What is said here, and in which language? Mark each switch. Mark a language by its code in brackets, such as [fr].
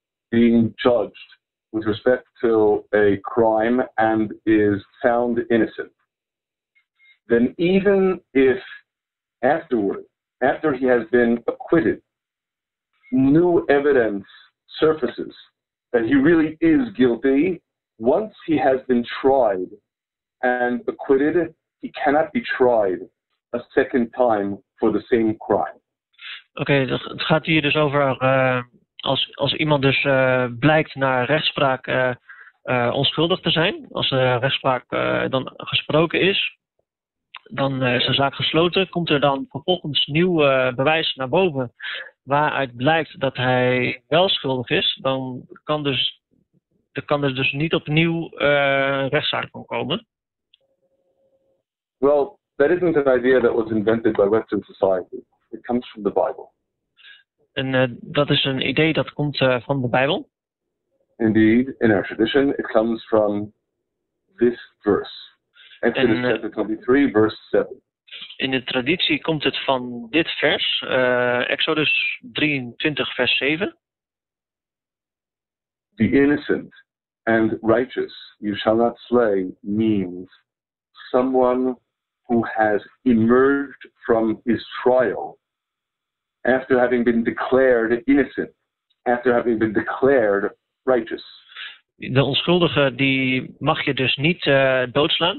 [en] being judged with respect to a crime and is found innocent, then even if afterward, after he has been acquitted, new evidence surfaces that he really is guilty, once he has been tried and acquitted, he cannot be tried a second time for the same crime. [nl] Okay, het gaat hier dus over als iemand dus blijkt naar rechtspraak onschuldig te zijn, als de rechtspraak dan gesproken is, dan is de zaak gesloten, komt er dan vervolgens nieuw bewijs naar boven waaruit blijkt dat hij wel schuldig is, dan kan er dus niet opnieuw rechtszaak van komen. [en] Well, that isn't an idea that was invented by Western society. It comes from the Bible. [nl] En dat is een idee dat komt van de Bijbel. [en] Indeed, in our tradition, it comes from this verse. Exodus chapter 23, verse 7. [nl] In de traditie komt het van dit vers, Exodus 23, vers 7. [en] The innocent and righteous you shall not slay means someone who has emerged from his trial after having been declared innocent, after having been declared righteous. [nl] De onschuldige die mag je dus niet doodslaan.